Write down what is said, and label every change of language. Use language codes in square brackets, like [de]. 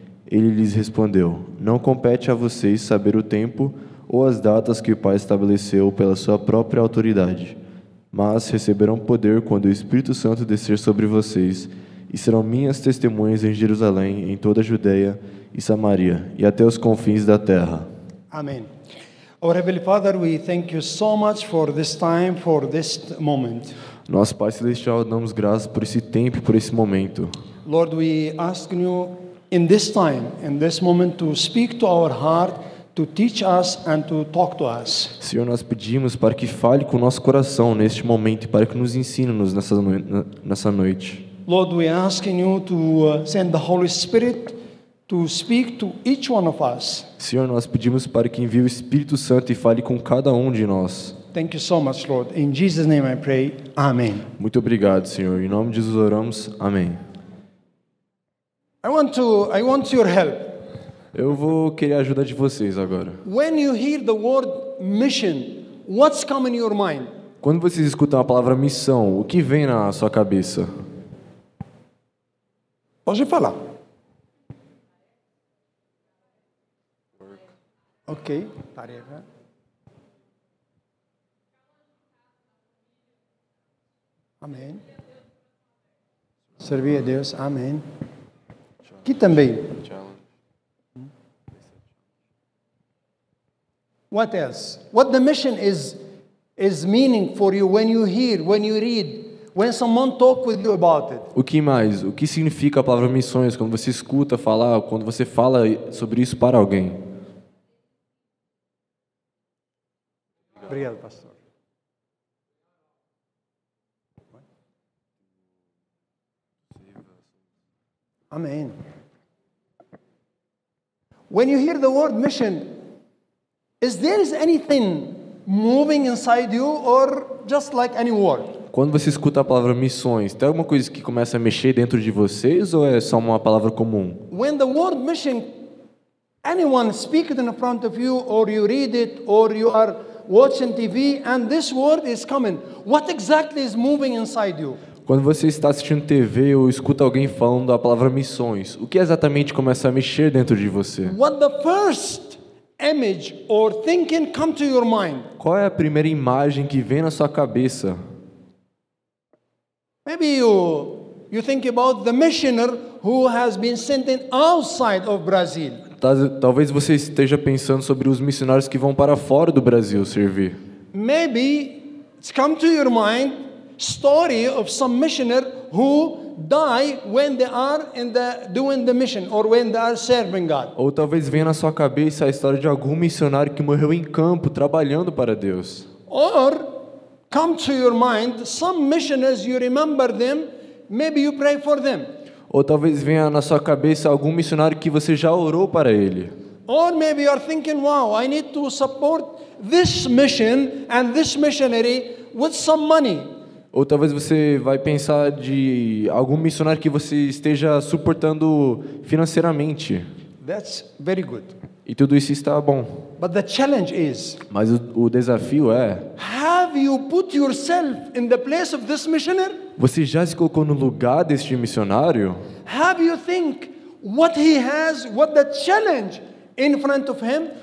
[pt] Ele lhes respondeu: não compete a vocês saber o tempo ou as datas que o Pai estabeleceu pela sua própria autoridade, mas receberão poder quando o Espírito Santo descer sobre vocês e serão minhas testemunhas em Jerusalém, em toda a Judeia e Samaria e até os confins da terra. Amém. [en] Our Heavenly Father, we thank you so much for this time, for this moment. [pt] Nosso Pai Celestial, damos graças por esse tempo, por esse momento. [en] Lord, we ask you in this time, in this moment, to speak to our heart, to teach us and to talk to us. [pt] Senhor, nós pedimos para que fale com o nosso coração neste momento e para que nos ensine nessa noite. [en] Lord, we ask you to send the Holy Spirit to speak to each one of us. [pt] Senhor, nós pedimos para que envie o Espírito Santo e fale com cada um de nós. [en] Thank you so much, Lord. In Jesus' name I pray. Amen. [pt] Muito obrigado, Senhor. Em nome de Jesus oramos. Amém. [en] I want your help. [pt] Eu vou querer a ajuda de vocês agora. [en] When you hear the word mission, what's coming in your mind? [pt] Quando vocês escutam a palavra missão, o que vem na sua cabeça? Pode falar. Ok, tarefa. Amém. Servir a Deus. Amém. Aqui também. [en] What else? What the mission is meaning for you when you hear, when you read, when someone talk with you about it? [pt] O que mais? O que significa a palavra missões quando você escuta falar, quando você fala sobre isso para alguém? Obrigado, pastor. Amém. [en] When you hear the word mission, is there anything moving inside you or just like any word? [pt] Quando você escuta a palavra missões, tem alguma coisa que começa a mexer dentro de vocês ou é só uma palavra comum? [en] When the word mission, anyone speak it in front of you or you read it or you are watching TV and this word is coming, what exactly is moving inside you? [pt] Quando você está assistindo TV ou escuta alguém falando a palavra missões, o que exatamente começa a mexer dentro de você? [en] What the first image or thinking come to your mind? [pt] Qual é a primeira imagem que vem na sua cabeça? [en] Maybe you think about the missionary who has been sent outside of Brazil. [pt] Talvez você esteja pensando sobre os missionários que vão para fora do Brasil servir. [en] Maybe it's come to your mind story of some missionary who die when they are doing the mission or when they are serving God. [pt] Ou talvez venha na sua cabeça a história de algum missionário que morreu em campo trabalhando para Deus. [en] Or come to your mind some missionaries you remember them, maybe you pray for them. [pt] Ou talvez venha na sua cabeça algum missionário que você já orou para ele. [en] Or maybe you are thinking, wow, I need to support this mission and this missionary with some money. [pt] Ou talvez você vai pensar de algum missionário que você esteja suportando financeiramente. [en] That's very good. [pt] E tudo isso está bom. [en] But the challenge is, [pt] mas o desafio é, [en] have you put yourself in the place of this missionary? [pt] Você já se colocou no lugar deste missionário? [en] Have you think what he has, what the challenge in front of him?